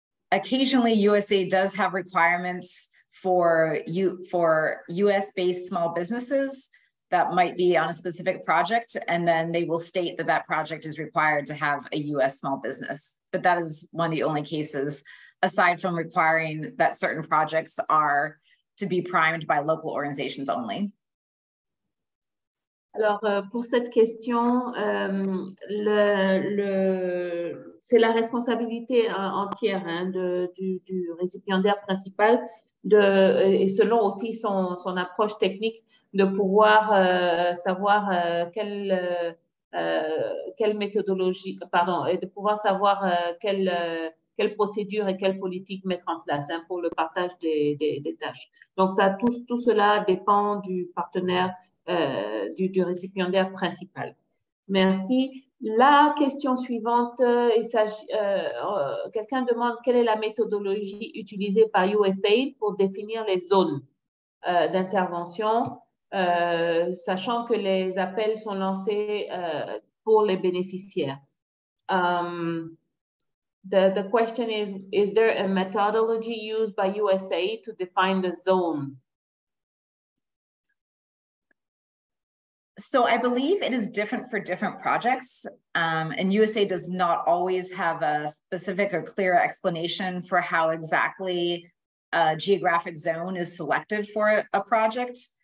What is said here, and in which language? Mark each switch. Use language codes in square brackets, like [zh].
[en] Occasionally, USAID does have requirements for US-based small businesses that might be on a specific project, and then they will state that that project is required to have a US small business. But that is one of the only cases, aside from requiring that certain projects are to be primed by local organizations only. [fr] Alors, pour cette question, c'est la responsabilité entière hein, du récipiendaire principal et selon aussi son approche technique, de pouvoir savoir quelle méthodologie, pardon, et de pouvoir savoir quelle procédure et quelle politique mettre en place hein, pour le partage des tâches. Donc, ça, tout cela dépend du partenaire, du récipiendaire principal. Merci. La question suivante, quelqu'un demande quelle est la méthodologie utilisée par USAID pour définir les zones d'intervention, sachant que les appels sont lancés pour les bénéficiaires. [en] The question is there a methodology used by USAID to define the zone? So I believe it is different for different projects, and USAID does not always have a specific or clear explanation for how exactly a geographic zone is selected for a project.